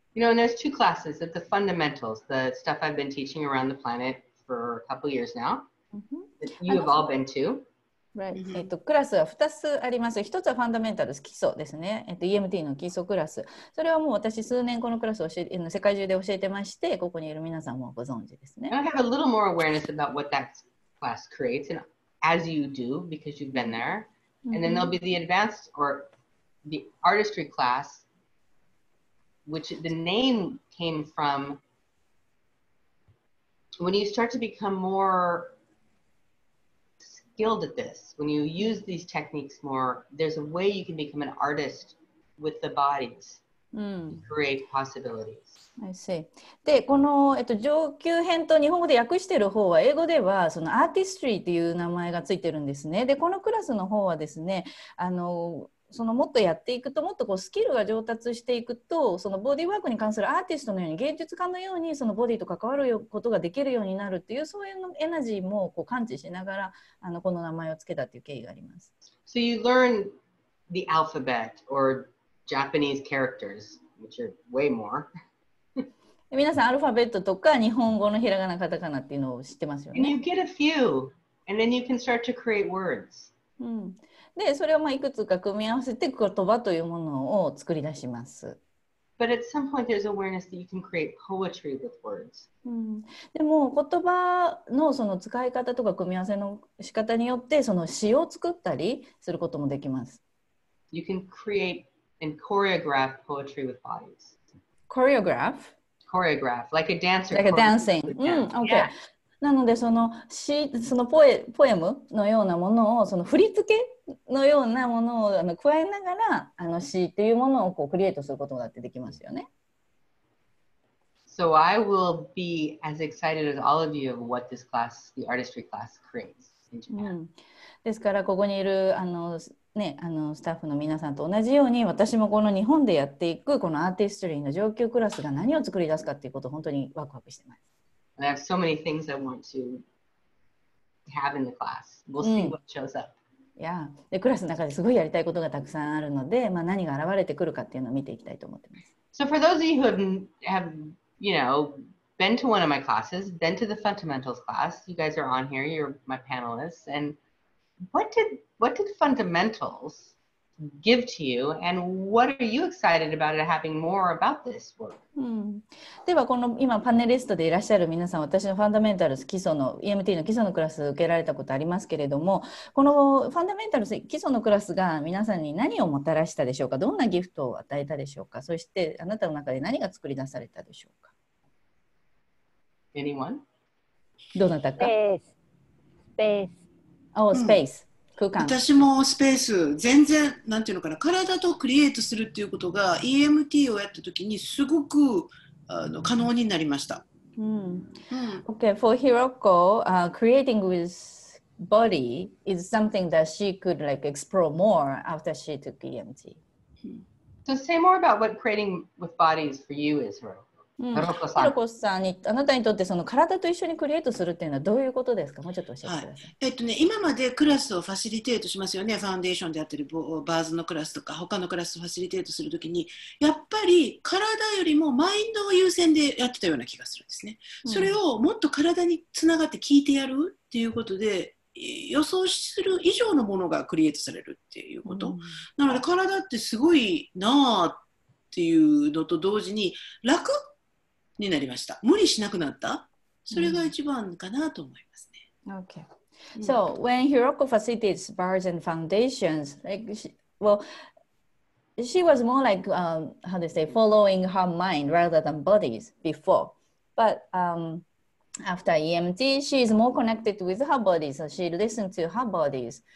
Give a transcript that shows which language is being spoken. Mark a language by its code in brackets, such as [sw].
[en] You know, there's two classes at the fundamentals the stuff I've been teaching around the planet for a couple years now that you have all been to Right. [ja] クラスは2つあります。 1つはファンダメンタルス、基礎ですね。EMT の基礎クラス。それはもう私数年このクラスを教え世界中で教えてまして、ここにいる皆さんもご存知ですね。 [en] I have a little more awareness about what that class creates, and as you do, because you've been there. And then there'll be the advanced or the artistry class, which the name came from when you start to become more. Skilled at this, when you use these techniques more, there's a way you can become an artist with the bodies to create possibilities. I see. [ja] で、この、上級編と日本語で訳している方は、英語ではそのアーティストリーという名前がついてるんですね。で、このクラスの方はですね、そのもっとやっていくともっとこうスキルが上達していくとそのボディーワークに関するアーティストのように芸術家のようにそのボディーと関わることができるようになるというそういうのエナジーもこう感知しながらこの名前をつけたという経緯があります [en] So you learn the alphabet or Japanese characters which are way more. [ja] 皆さん、アルファベットとか日本語のひらがな、カタカナっていうのを知ってますよね。 [en] And you get a few, and then you can start to create words.、 [ja] うん、で、それをまあいくつか組み合わせて言葉というものを作り出します。 [en] But at some point, there's awareness that you can create poetry with words.、 [ja] うん、でも、言葉のその使い方とか組み合わせの仕方によって、その詩を作ったりすることもできます。 [en] You can create and choreograph poetry with bodies. Choreograph? Choreograph, like a dancer. Like a dancing. Mm, okay. [ja] なのでその詩、そのポエムのようなものを、その振り付けのようなものを加えながら、あの詩っていうものをこうクリエイトすることだってできますよね。 [en] So I will be as excited as all of you of what this class, the artistry class creates in Japan. [ja] ですからここにいるね、スタッフの皆さんと同じように私もこの日本でやっていくこのアーティストリーの上級クラスが何を作り出すかっていうことを本当にワクワクしてます。 [en] I have so many things I want to have in the class. We'll see what shows up. Yeah. [ja] でクラスの中ですごいやりたいことがたくさんあるので、まあ、何が現れてくるかっていうのを見ていきたいと思ってます。 [en] So for those of you who have you know, been to one of my classes, been to the fundamentals class, you guys are on here, you're my panelists, andWhat did fundamentals give to you, and what are you excited about it having more about this work?、 [ja] うん、ではこの今パネリストでいらっしゃる皆さん、私のファンダメンタルス基礎の EMT の基礎のクラス受けられたことありますけれども、このファンダメンタルス基礎のクラスが皆さんに何をもたらしたでしょうか。どんなギフトを与えたでしょうか。そしてあなたの中で何が作り出されたでしょうか。 [en] Anyone? [ja] どなたか。 [en] Space. Oh, space.、 [ja] うん、空間。私もスペース全然なんていうのかな、体とクリエイトするっていうことが EMT をやった時にすごく可能になりました。うん。 [en] Okay, for Hiroko,、creating with body is something that she could like explore more after she took EMT. So say more about what creating with bodies for you is, Hiroko-san. [ja] Hiroko-san, あなたにとってその体と一緒にクリエイトするっていうのはどういうことですか？もうちょっと教えてください。はい。今までクラスをファシリテートしますよね。ファウンデーションであったり、バーズのクラスとか、他のクラスをファシリテートするときに、やっぱり体よりもマインドを優先でやってたような気がするんですね。それをもっと体につながって聞いてやるっていうことで、予想する以上のものがクリエイトされるっていうこと。なので、体ってすごいなーっていうのと同時に、楽になりました。無理しなくなった。それが一番かなと思いますね。 [en] Okay. So when Hiroko facilitates bars and foundations, like she, well, she was more like, how to say, following her mind rather than bodies before. But, after EMT, she is more connected with her body, so she listens to her bodies.